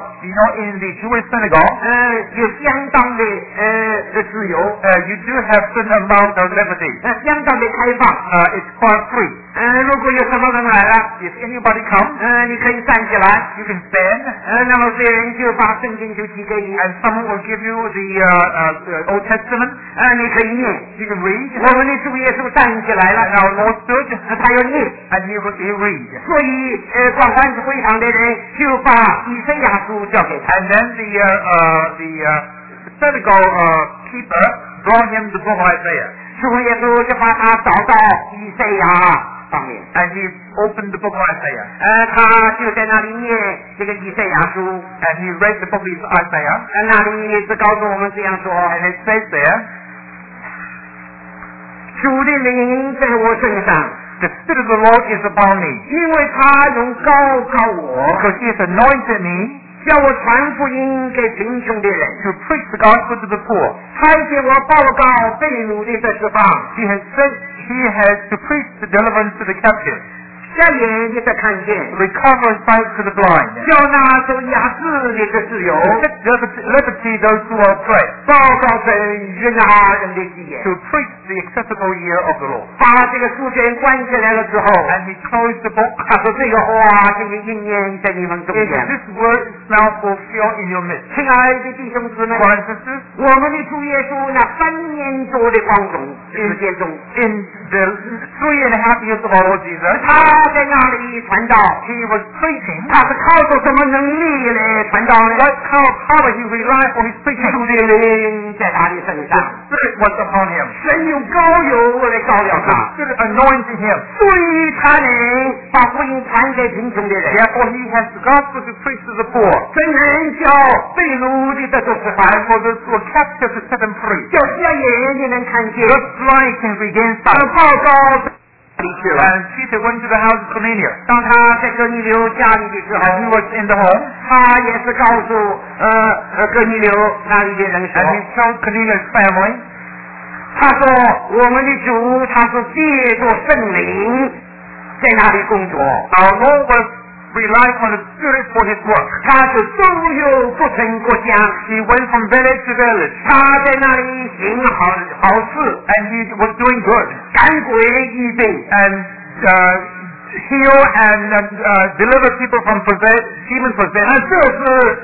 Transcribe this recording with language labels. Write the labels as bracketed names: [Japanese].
[English] you know in the Jewish synagogue [Chinese] 有相当的自由 [English] you do have certain amount of liberty [Chinese] 相当的开放 [English] it's quite free [Chinese] 如果有什么人来了 [English] if anybody comes [Chinese] 你可以站起来 [English] you can stand [Chinese] 那么这些人就把圣经就寄给你 [English] and someone will give you the Old Testament [Chinese] 你可以念 [English] you can read [Chinese] 我们的主耶稣站起来了 [English] and our Lord stood [Chinese] 他要念 [English] and he will read [Chinese] 所以广泛会堂的人就把以赛亚书交给他 [English] and then the synagogue keeper brought him the book of Isaiah [Chinese] 主耶稣就把他找到以赛亚 [English] And he opened the book of Isaiah. [Chinese] 他就在那里念这个以赛亚书。 [English] And he read the book of Isaiah. [Chinese] 那里也是告诉我们这样说。 [English] And it says there, [Chinese] 主的灵在我身上。 [English] The spirit of the Lord is upon me. [Chinese] 因为他用膏膏我。 [English] Because he has anointed me. [Chinese] 叫我传福音给贫穷的人。 [English] To preach the gospel to the poor. [Chinese] 差遣我报告被掳的得释放。 [English] He has sent. He has to preach the deliverance to the captive. [Chinese] 瞎眼的得看见。 [English] Recover sight to the blind. [Chinese] 叫那受压制的得自由。 [English] Liberty those who are oppressed. [Chinese] 报告神悦纳人的喜悦。 [English] To preach the acceptable year of the Lord. [Chinese] 把这个书卷关起来了之后。 [English] And he closed the book. [Chinese] 他说这个话就是应验在你们中间。 [English] This word is now fulfilled in your midst. [Chinese] 亲爱的弟兄姊妹。 [English] Brothers and sisters. [Chinese] 我们的主耶稣那三年多的光荣。 [English] In the 3.5 years of our Lord Jesus, [Chinese] 他在那里传道 [English] he was preaching. [Chinese] 他是靠着什么能力来传道呢 [English] What kind of power he relied on his preaching? [Chinese] 主的灵在他的身上 [English] The Spirit was upon him. [Chinese] 神用膏油来膏了他 [English] The Spirit anointed him. [Chinese] 所以他能把福音传给贫穷的人 [English] Therefore, he has the gospel to preach to the poor. [Chinese] 真人叫被掳的得释放 [English] For those who are captive to set them free. [Chinese] 叫瞎眼的能看见 [English] Flying can regain sight. And Peter went to the house of Cornelius. [Chinese] 当他在哥尼流家里的时候 [English] and he was in the home. [Chinese] 他也是告诉哥尼流那里的人说 [English] and he told Cornelius' family. [Chinese] 他说我们的主他是借着圣灵在那里工作 [English] Our Lord was relying on the Spirit for his work. [Chinese] 他是周游不成国家 [English] He went from village to village. [Chinese] 他在那里行好好事 [English] and he was doing good. [Chinese] 赶鬼医病 [English] and heal and deliver people from demon possession.